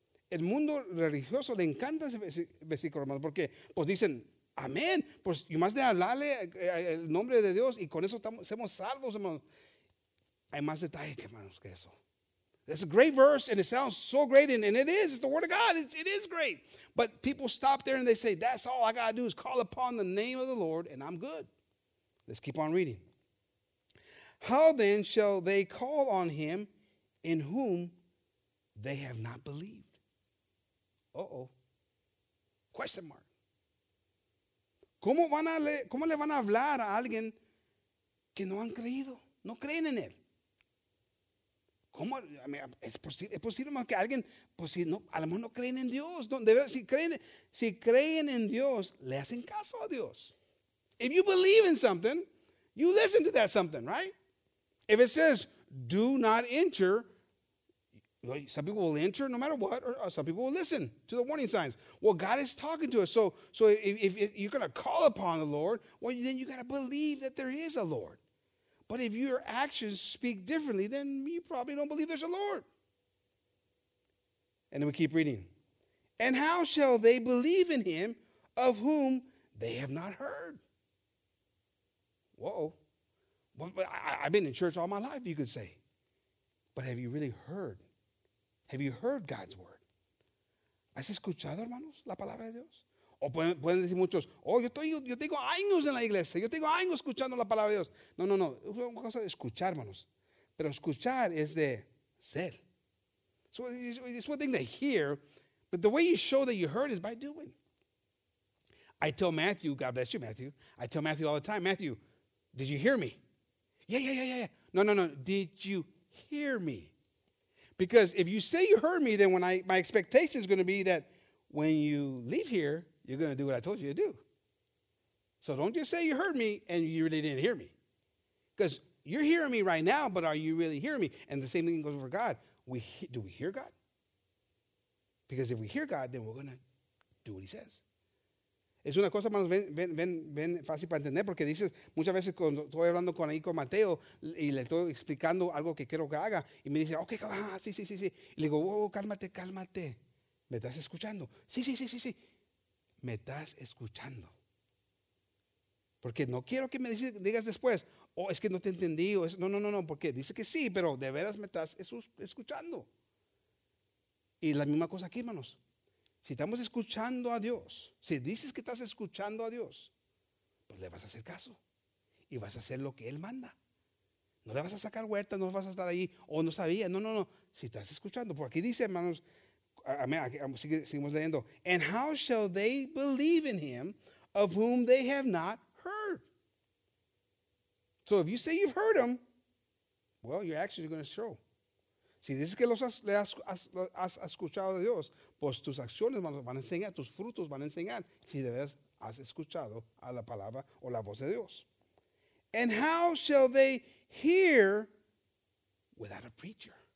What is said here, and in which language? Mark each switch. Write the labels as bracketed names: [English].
[Spanish] El mundo religioso le encanta ese versículo, hermano, porque pues dicen, amén, pues y más de hablarle el nombre de Dios y con eso somos salvos, hermano. Hay más detalle que, hermanos, que eso. [English] That's a great verse and it sounds so great and it is, it's the word of God, it is great. But people stop there and they say, that's all I got to do is call upon the name of the Lord and I'm good. Let's keep on reading. How then shall they call on him in whom they have not believed? Uh-oh. Question mark. [Spanish] ¿Cómo le van a hablar a alguien que no han creído? No creen en él. ¿Cómo? I mean, es posible más que alguien, pues si no, a lo mejor no creen en Dios. No, de verdad, si creen en Dios, le hacen caso a Dios. [English] If you believe in something, you listen to that something, right? If it says, do not enter, some people will enter no matter what, or some people will listen to the warning signs. Well, God is talking to us. So if you're going to call upon the Lord, well, then you got to believe that there is a Lord. But if your actions speak differently, then you probably don't believe there's a Lord. And then we keep reading. And how shall they believe in him of whom they have not heard? Whoa. I've been in church all my life, you could say. But have you really heard? Have you heard God's word? ¿Has escuchado, hermanos, la palabra de Dios? [Spanish] O pueden decir muchos, oh, yo tengo años en la iglesia, yo tengo años escuchando la palabra de Dios. No, no, no, es una cosa de escuchar, hermanos. Pero escuchar es de ser. [English] So it's one thing to hear, but the way you show that you heard is by doing. I tell Matthew, God bless you, Matthew. I tell Matthew all the time, Matthew, did you hear me? Yeah. No, no, no, did you hear me? Because if you say you heard me, then my expectation is going to be that when you leave here, you're going to do what I told you to do. So don't just say you heard me and you really didn't hear me. Because you're hearing me right now, but are you really hearing me? And the same thing goes for God. Do we hear God? Because if we hear God, then we're going to do what he says. [Spanish] Es una cosa más bien fácil para entender porque dices, muchas veces cuando estoy hablando con ahí con Mateo y le estoy explicando algo que quiero que haga y me dice, ok, sí. Y le digo, oh, cálmate. ¿Me estás escuchando? Sí. ¿Me estás escuchando? Porque no quiero que me digas después, oh, es que no te entendí. No, porque dice que sí, pero de veras me estás escuchando. Y la misma cosa aquí, hermanos. Si estamos escuchando a Dios, si dices que estás escuchando a Dios, pues le vas a hacer caso y vas a hacer lo que Él manda. No le vas a sacar vueltas, no vas a estar ahí, o no sabía. No. Si estás escuchando, por aquí dice, hermanos, Amén. [English] And how shall they believe in him of whom they have not heard? So if you say you've heard him, well, your actions are going to show. [Spanish] Si dices que los has escuchado de Dios, pues tus acciones van a enseñar, tus frutos van a enseñar si de verdad has escuchado a la palabra o la voz de Dios. [English] And how shall they hear without a preacher?